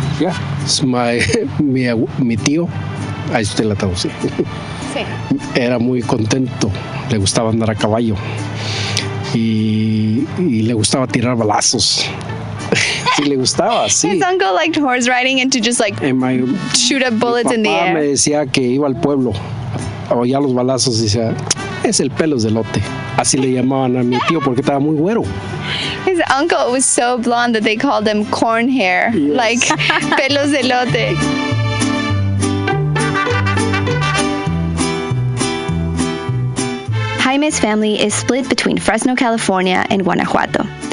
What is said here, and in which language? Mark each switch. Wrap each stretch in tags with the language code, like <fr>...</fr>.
<en>Yeah. It's my tío.</en> <es>Ahí está la traducción. Sí. Era muy contento. Le gustaba andar a caballo. Y le gustaba tirar balazos. Sí, le gustaba, sí.</es> <en>His uncle liked horse riding and to just like shoot up bullets in the air.</en> <es>Mi papá me decía que iba al pueblo. Oía los balazos y decía, es el pelos de elote. Así le llamaban a mi tío porque estaba muy güero.</es> <en>His uncle was so blonde that they called him corn hair. Yes. Like pelos de elote. Jaime's family is split between Fresno, California and Guanajuato.</en>